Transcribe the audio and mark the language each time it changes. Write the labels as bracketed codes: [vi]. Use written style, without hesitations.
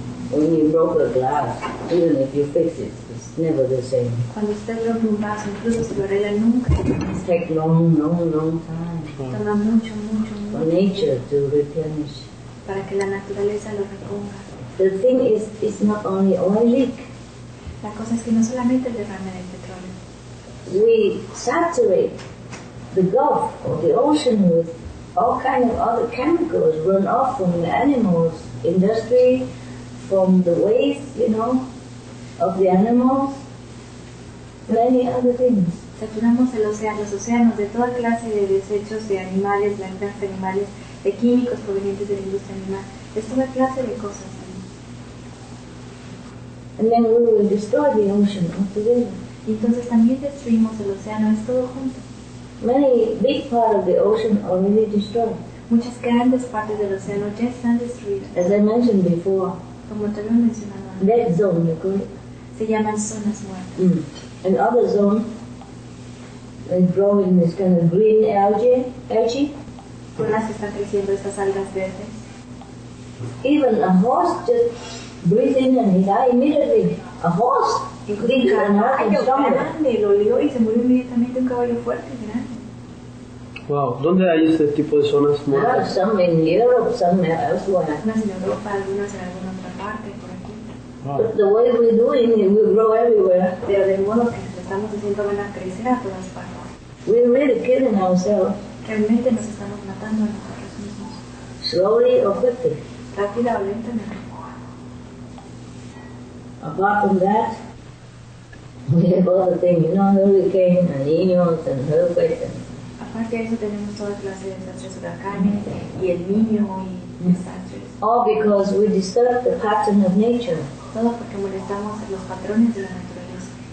[en] When you broke a glass, even if you fix it, it's never the same. [es] Cuando usted rompe un vaso, incluso si lo arregla nunca. [en] It takes long time. [es] Toma mucho. [en] For nature to replenish. [es] Para que la naturaleza lo reponga. [en] The thing is, it's not only oil leak. [es] La cosa es que no solamente el derrame del petróleo. [en] We saturate the Gulf or the ocean with all kinds of other chemicals run off from the animals, industry, from the waste, you know, of the animals, many other things. [es] Saturamos el océano, los océanos de toda clase de desechos de animales, plantas, animales, de químicos provenientes de la industria animal. Es toda clase de cosas. [en] And then we will destroy the ocean altogether. [es] Y entonces también destruimos el océano, es todo junto. [en] Many big part of the ocean already destroyed. [es] Muchas grandes partes del océano ya están destruidas. [en] As I mentioned before, [es] como te había mencionado antes. [en] Dead zone, you call it? [es] Se llaman zonas muertas. Mm. [en] And other zone, they grow in this kind of green algae. [es] Por las que están creciendo estas algas verdes. [en] Even a horse just breathes in and he died immediately. A horse. [es] Incluso un caballo grande, lo olió y se murió inmediatamente un caballo fuerte, grande. Wow, ¿dónde hay este tipo de zonas muertas? [en] Well, some in Europe, some elsewhere. [es] Unas en Europa, algunas en alguna otra parte, por aquí. [en] Wow. But the way we're doing it, we'll grow everywhere. [es] Pero del modo que estamos haciendo, van a crecer a todas partes. [en] We're really killing ourselves. [es] Realmente nos estamos matando a nosotros mismos. [en] Slowly or quickly. [es] Rápida o lentamente. [en] Apart from that, we have all the things, you know, hurricane and inos and earthquakes and [es] aparte de eso tenemos toda clase de desastres, huracanes y el niño y desastres. [en] All because we disturb the pattern of nature. [es] Todo porque molestamos los patrones de la naturaleza.